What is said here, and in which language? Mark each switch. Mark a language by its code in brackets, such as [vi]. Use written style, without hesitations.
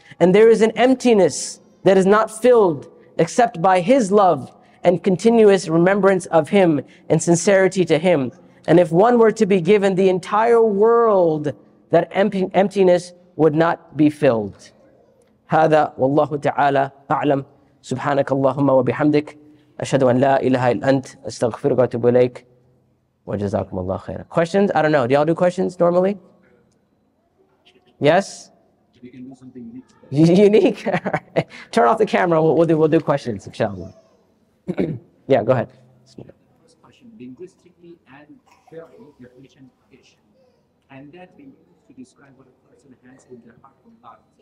[en] And there is an emptiness that is not filled except by His love and continuous remembrance of Him and sincerity to Him. And if one were to be given the entire world, that emptiness would not be filled. [ar] هذا والله تعالى أعلم. سبحانك اللهم وبحمدك أشهد أن لا إله إلا أنت أستغفرك وأتوب إليك وجزاكم الله خيرا. [en] Questions? I don't know. Do y'all do questions normally? Yes? We can do something unique. Unique? Turn off the camera. We'll do questions, inshallah. Yeah, go ahead. First question. Linguistically and fairly, your ancient English. Can that be used to describe what a person has in their heart or not?